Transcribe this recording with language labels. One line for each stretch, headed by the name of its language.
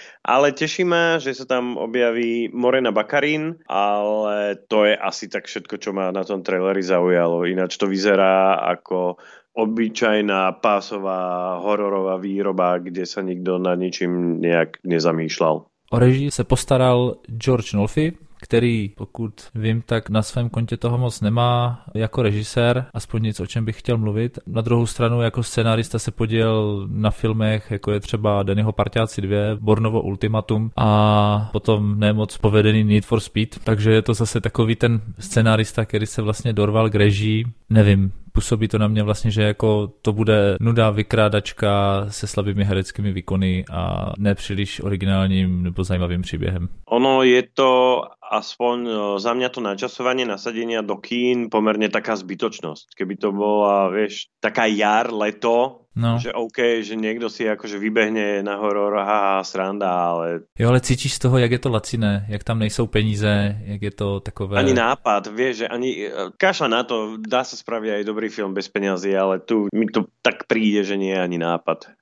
Slovak: Ale teší ma, že sa tam objaví Morena Baccarin, ale to je asi tak všetko, čo ma na tom traileri zaujalo. Ináč to vyzerá ako obyčajná pásová hororová výroba, kde sa nikto na ničím nejak nezamýšľal.
Czech: O režii se postaral George Nolfi, který, pokud vím, tak na svém kontě toho moc nemá jako režisér, aspoň nic, o čem bych chtěl mluvit. Na druhou stranu, jako scenárista se podílel na filmech, jako je třeba Dannyho Parťáci 2, Bornovo Ultimatum a potom nemoc povedený Need for Speed, takže je to zase takový ten scenárista, který se vlastně dorval k režii. Nevím, působí to na mě vlastně, že jako to bude nuda vykrádačka se slabými hereckými výkony a nepříliš originálním nebo zajímavým příběhem.
Slovak: Ono je to aspoň za mňa to načasovanie nasadenia do kín pomerne taká zbytočnosť. Keby to bola, vieš, taká jar, leto, no. Že OK, že niekto si akože vybehne na horor, haha, sranda, ale...
Czech: Jo, ale cítiš z toho, jak je to laciné, jak tam nejsou peníze, jak je to takové...
Slovak: Ani nápad, vieš, že ani kašľa na to, dá sa spraviť aj dobrý film bez peňazí, ale tu mi to tak príde, že nie je ani nápad.